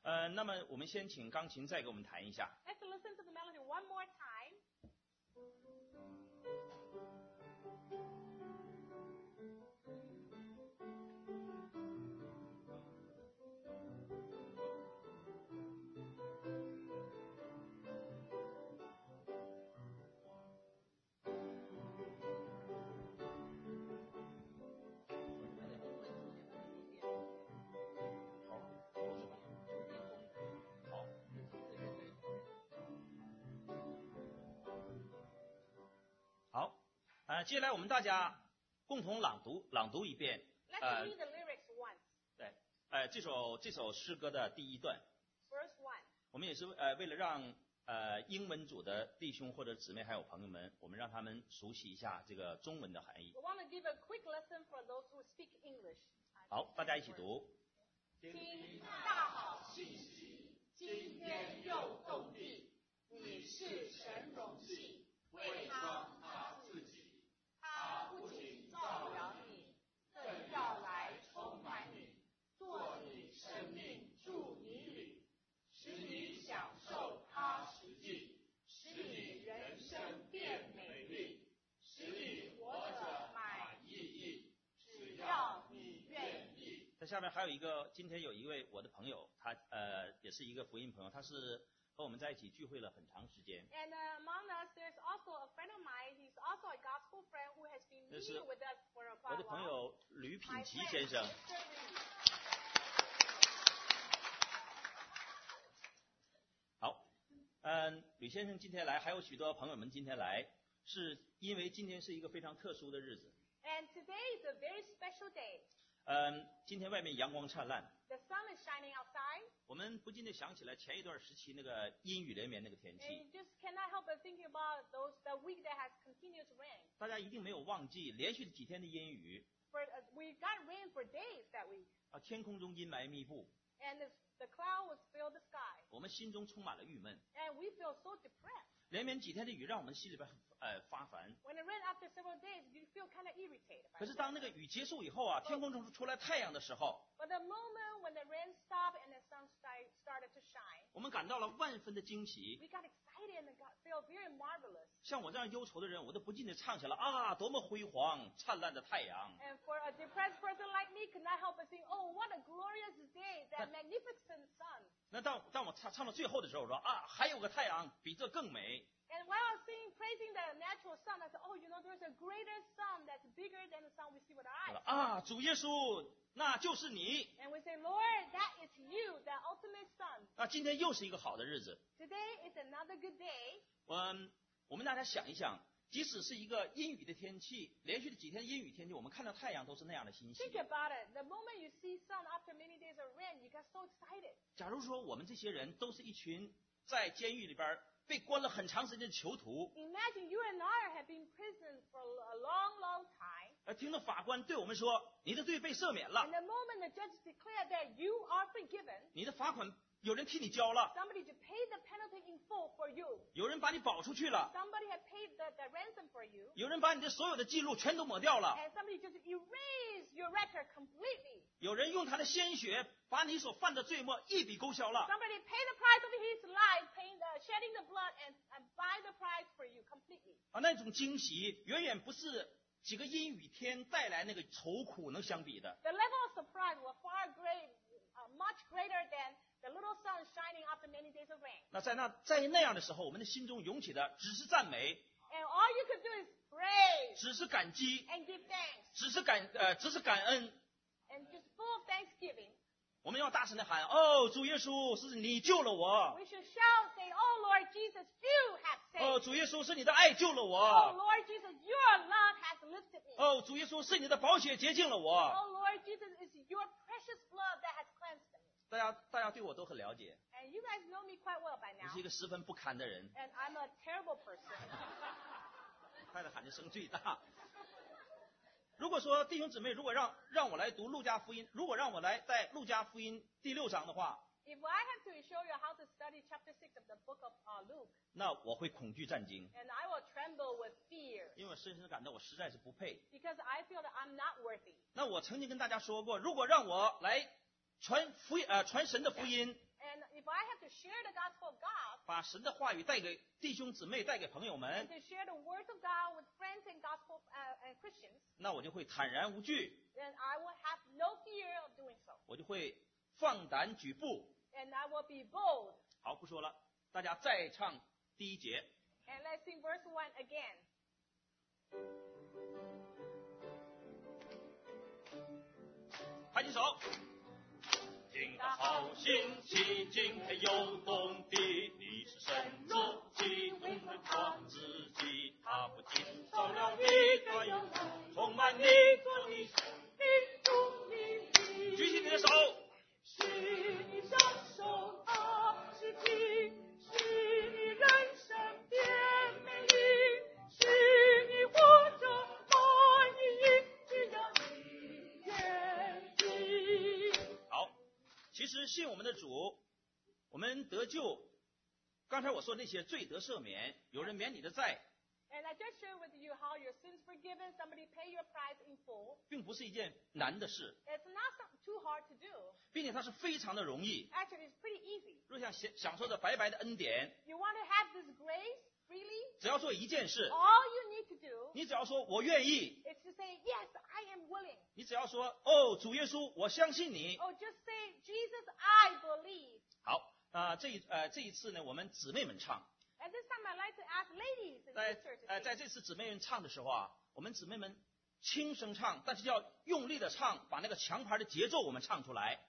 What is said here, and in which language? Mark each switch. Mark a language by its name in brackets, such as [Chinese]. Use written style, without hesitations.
[Chinese] 那么我们先请钢琴再给我们弹一下。 [English] Let's listen to the melody one more time. [Chinese] 接下来我们大家共同朗读一遍。 [English] Let's read the lyrics once. [Chinese] 对，这首诗歌的第一段。 [English] First one. [Chinese] 我们也是为了让英文组的弟兄或者姊妹还有朋友们，我们让他们熟悉一下这个中文的含义。 [English] We want to give a quick lesson for those who speak English. [Chinese] 好，大家一起读。听大好信息，今天又动地，你是神荣幸，为他他自己。他不仅造了你，更要来充满你，做你生命助你里，使你享受他实际，使你人生变美丽，使你活着满意义，只要你愿意。他下面还有一个，今天有一位我的朋友，他也是一个福音朋友，他是和我们在一起聚会了很长时间。 [English] And among us, there's also a friend of mine. He's also a gospel friend who has been meeting with us for a while. [Chinese] 我的朋友吕品奇先生。好，吕先生今天来，还有许多朋友们今天来，是因为今天是一个非常特殊的日子。 [English] And today is a very special day. [Chinese] 今天外面阳光灿烂。 [English] The sun is shining outside. [Chinese] 我们不禁地想起来前一段时期那个阴雨连绵那个天气。 [English] And you just cannot help but thinking about the week that has continuous rain. [Chinese] 大家一定没有忘记连续几天的阴雨。 [English] We got rain for days that week. [Chinese] 天空中阴霾密布。 [English] And the clouds filled the sky. [Chinese] 我们心中充满了郁闷。 [English] And we feel so depressed. [Chinese] 连绵几天的雨让我们心里边发烦。 [English] When it rained after several days, you feel kind of irritated. [Chinese] 可是当那个雨结束以后天空中出来太阳的时候。 [English] But the moment when the rain stopped and the sun started to shine. [Chinese] 我们感到了万分的惊喜。 [English] We got excited and felt very marvelous. [Chinese] 像我这样忧愁的人，我都不禁地唱起了多么辉煌灿烂的太阳。 [English] And for a depressed person like me, could not help but sing, oh, what a glorious day, that magnificent sun. [Chinese] 那当我唱到最后的时候，说还有个太阳比这更美。 [English] And while I was singing, praising the natural sun, I said, oh, you know, there's a greater sun that's bigger than the sun we see with our eyes. [Chinese] 主耶稣，那就是你。 [English] And we say, Lord, that is you, the ultimate sun. [Chinese] 今天又是一个好的日子。 [English] Today is another good day. [Chinese] 我们大家想一想，即使是一个阴雨的天气，连续的几天阴雨天气，我们看到太阳都是那样的欣喜。 [English] Think about it. The moment you see sun after many days of rain, you get so excited. [Chinese] 假如说我们这些人都是一群在监狱里边被关了很长时间的囚徒。 [English] Imagine you and I have been imprisoned for a long, long time. [Chinese] 听到法官对我们说，你的罪被赦免了。 [English] And the moment the judge declared that you are forgiven. [Chinese] 你的罚款有人替你交了。 [English] Somebody to pay the penalty in full for you. [Chinese] 有人把你保出去了。 [English] Somebody has paid the ransom for you. [Chinese] 有人把你的所有的记录全都抹掉了。 [English] And somebody just erased your record completely. [Chinese] 有人用他的鲜血把你所犯的罪过一笔勾销了。 [English] Somebody paid the price of his life, shedding the blood and buy the price for you completely. [Chinese] 那种惊喜远远不是几个阴雨天带来那个愁苦能相比的。 [English] The level of surprise was far great, much greater than the little sun shining after many days of rain. [Chinese] 在那样的时候，我们的心中涌起的只是赞美。 [English] And all you could do is praise. [Chinese] 只是感激。 [English] And give thanks. [Chinese] 只是感恩。 [English] And just full of thanksgiving. [Chinese] 我们要大声地喊，哦，主耶稣，是你救了我。 [English] We should shout, say, oh Lord Jesus, you have saved me. [Chinese] 哦，主耶稣，是你的爱救了我。 [English] Oh Lord Jesus, your love has lifted me. [Chinese] 哦，主耶稣，是你的宝血洁净了我。 [English] Oh Lord Jesus, it's your precious blood that has cleansed me. [Chinese] 大家对我都很了解。 [English] And you guys know me quite well by now. [Chinese] 我是一个十分不堪的人。 [English] And I'm a terrible person. [Chinese] 快点喊的声最大。如果说弟兄姊妹，如果让我来读路加福音，如果让我来在路加福音第六章的话， [English] If I have to show you how to study chapter 6 of the book of Luke, [Chinese] 那我会恐惧战惊。 [English] And I will tremble with fear. [Chinese] 因为么深深的感到我实在是不配。 [English] Because I feel that I'm not worthy. [Chinese] 那我曾经跟大家说过，如果让我来传福音，传神的福音。 [English] And if I have to share the gospel of God. [Chinese] 把神的话语带给弟兄姊妹，带给朋友们。 [English] And to share the words of God with friends and gospel and Christians. [Chinese] 那我就会坦然无惧。 [English] And I will have no fear of doing so. [Chinese] 我就会放胆举步。 [English] And I will be bold. [Chinese] 好，不说了，大家再唱第一节。 [English] And let's sing verse 1 again. [Chinese] Hi, 手。听到好信息，今天又动地，你是神主，基督的创世纪，他不仅造了一个人，充满你做你生命的意义。举起你的手。是你享受他自己，是你人生甜美丽，是你活着满意，只要你愿意。好，其实信我们的主，我们得救。刚才我说那些罪得赦免，有人免你的债。 [English] And I just shared with you how your sins forgiven, somebody pay your price in full. [Chinese] 并不是一件难的事。 [English] It's not too hard to do. [Chinese] 并且它是非常的容易。 [English] Actually, it's pretty easy. [Chinese] 若想享受着白白的恩典。 [English] You want to have this grace freely? [Chinese] 只要做一件事。 [English] All you need to do. [Chinese] 你只要说我愿意。 [English] It's to say yes, I am willing. [Chinese] 你只要说哦，主耶稣，我相信你。 [English] Oh, just say Jesus, I believe. [Chinese] 好，那这一次呢，我们姊妹们唱。 [English] At this time, I'd like to ask ladies and sisters. [Chinese] 在这次姊妹们唱的时候啊，我们姊妹们轻声唱，但是要用力的唱，把那个强拍的节奏我们唱出来。